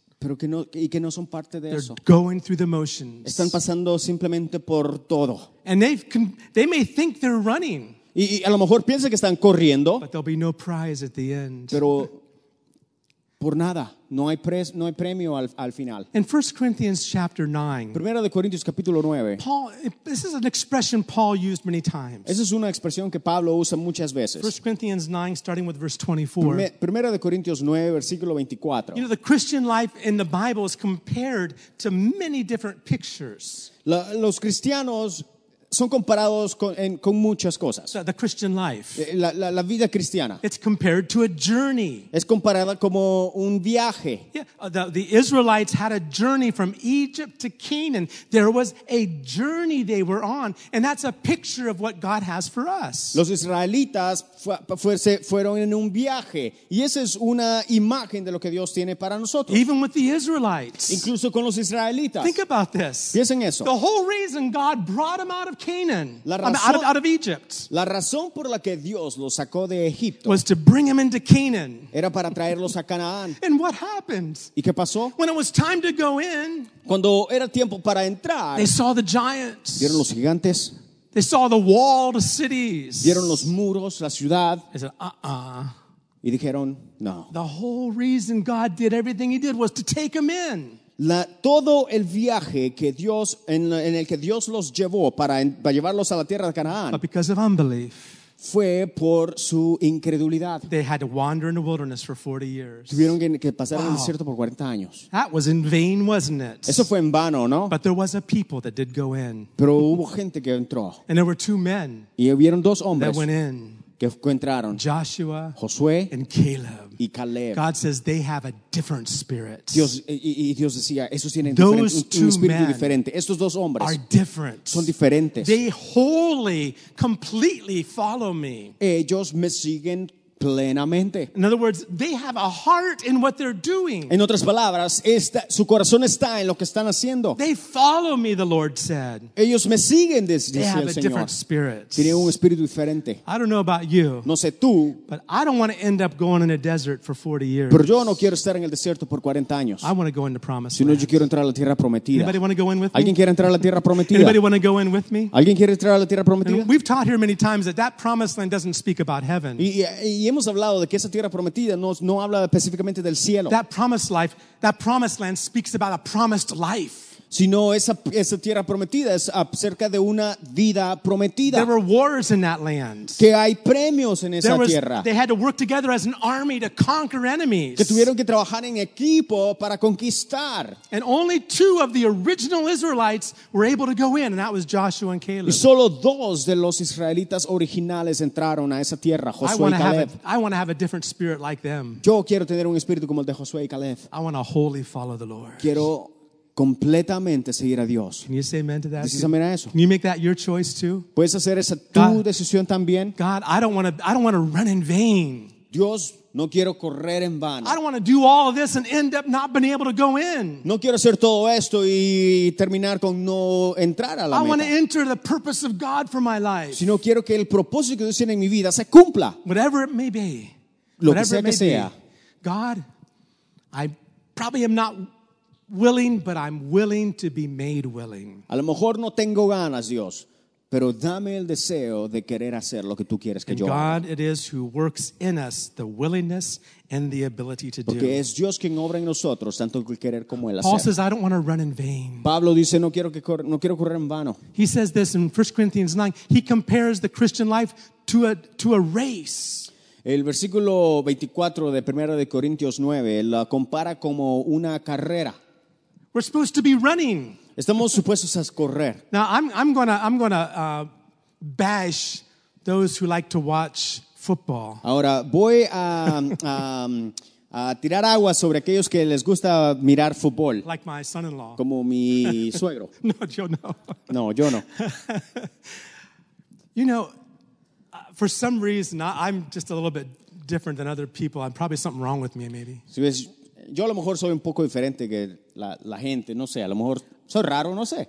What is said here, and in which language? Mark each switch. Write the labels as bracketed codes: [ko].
[es] Pero que no, y que no son parte de [en] they're [es] eso. [en] Going through the motions. [es] Están pasando simplemente por todo. [en] And they may think they're running. [es] Y a lo mejor piensan que están corriendo. [en] But there'll be no prize at the end. [es] Pero por nada. No hay premio al final. [en] In 1 Corinthians chapter 9. [es] Primera de Corintios capítulo 9. [en] Paul, this is an expression Paul used many times. [es] Esa es una expresión que Pablo usa muchas veces. [en] 1 Corinthians 9 starting with verse 24. [es] Primera de Corintios 9 versículo 24. [en] You know, the Christian life in the Bible is compared to many different pictures. [es] Los cristianos son comparados con muchas cosas. [en] The Christian life. [es] La vida cristiana. [en] It's compared to a journey. [es] Es comparada como un viaje. [en] Yeah, the Israelites had a journey from Egypt to Canaan. There was a journey they were on, and that's a picture of what God has for us. [es] Los israelitas fueron en un viaje, y esa es una imagen de lo que Dios tiene para nosotros. [en] Even with the Israelites. [es] Incluso con los israelitas. [en] Think about this. [es] Piensen eso. [en] The whole reason God brought them out of Canaan, out of Egypt. [es] La razón por la que Dios los sacó de Egipto [en] was to bring him into Canaan. [es] Era para traerlos a Canaán. [en] And what happened? [es] ¿Y qué pasó? [en] When it was time to go in, [es] cuando era tiempo para entrar, [en] they saw the giants. [es] ¿Vieron los gigantes? [en] They saw the walled cities. [es] ¿Vieron los muros, la ciudad? [en] They said, [es] Y dijeron, no. [en] The whole reason God did everything he did was to take them in. [es] Todo el viaje que Dios en el que Dios los llevó para llevarlos a la tierra de Canaán. [en] But because of unbelief, [es] fue por su incredulidad. [en] They had to wander in the wilderness for 40 years. [es] Tuvieron que pasar en el desierto por 40 años. [en] That was in vain, wasn't it? [es] Eso fue en vano, ¿no? [en] But there was a people that did go in. [es] Pero hubo gente que entró. [en] And there were two men. [es] Y hubieron dos hombres. [en] That went in. [es] Que entraron, [en] Joshua, [es] Josué, [en] and Caleb. [es] Y Caleb. [en] God says they have a different spirit. [es] Dios, y Dios decía, esos tienen [en] those [es] un espíritu diferente. Estos dos hombres [en] are different. [es] Son diferentes. [en] They wholly, completely follow me. [es] Ellos me siguen plenamente. [en] In other words, they have a heart in what they're doing. [es] En otras palabras, su corazón está en lo que están haciendo. [en] They follow me, the Lord said. [es] Ellos me siguen, dice el Señor. [en] Different spirit. [es] Tienen un espíritu diferente. [en] I don't know about you. [es] No sé tú. [en] But I don't want to end up going in a desert for 40 years. [es] Pero yo no quiero estar en el desierto por 40 años. [en] I want to go into promised [es] land. Sino yo quiero entrar a la tierra prometida. [en] Anybody want to go in with me? [es] ¿Alguien quiere entrar a la tierra prometida? [en] Anybody want to go in with me? [es] ¿Alguien quiere entrar a la tierra prometida? [en] And we've taught here many times that promised land doesn't speak about heaven. [es] Y hemos hablado de que esa tierra prometida no habla específicamente del cielo. [en] That promised life, that promised land speaks about a promised life. [es] Sino esa tierra prometida es acerca de una vida prometida. [en] There were wars in that land. [es] Que hay premios en esa tierra. [en] They had to work together as an army to conquer enemies. [es] Que tuvieron que trabajar en equipo para conquistar. [en] And only two of the original Israelites were able to go in, and that was Joshua and Caleb. [es] Y solo dos de los israelitas originales entraron a esa tierra, Josué y Caleb. [en] I want to have a different spirit like them. [es] Yo quiero tener un espíritu como el de Josué y Caleb. [en] I want to wholly follow the Lord. [es] Quiero completamente seguir a Dios. [en] Can you say amen to that? [es] Dices amén a eso. [en] Can you make that your choice too? [es] ¿Puedes hacer esa tu decisión también? [en] God, I don't want to run in vain. [es] Dios, no quiero correr en vano. [en] I don't want to do all of this and end up not being able to go in. [es] No quiero hacer todo esto y terminar con no entrar a la meta. [en] I want to enter the purpose of God for my life. [es] Sino quiero que el propósito que Dios tiene en mi vida se cumpla. [en] Whatever it may be. [es] Lo que sea que sea. [en] God, I probably am not willing, but I'm willing to be made willing. [es] A lo mejor no tengo ganas, Dios, pero dame el deseo de querer hacer lo que tú quieres que [en] and [es] yo haga. [en] God it is who works in us the willingness and the ability to [es] porque [en] do. [es] Es Dios quien obra en nosotros tanto el querer como el [en] Paul [es] hacer. [en] Paul says, I don't want to run in vain. [es] Pablo dice, no quiero correr en vano. [en] He says this in 1 Corinthians 9. He compares the Christian life to a race. [es] El versículo 24 de 1 de Corintios 9 la compara como una carrera. [en] We're supposed to be running. [es] Estamos supuestos a correr. [en] Now I'm gonna bash those who like to watch football. [es] Ahora voy a tirar agua sobre aquellos que les gusta mirar fútbol. [en] Like my son-in-law. [es] Como mi suegro. No, yo no. No, yo no. [en] You know, For some reason, I'm just a little bit different than other people. I'm probably something wrong with me, maybe. [es] Si ves, yo a lo mejor soy un poco diferente que la gente, no sé, a lo mejor soy raro, no sé.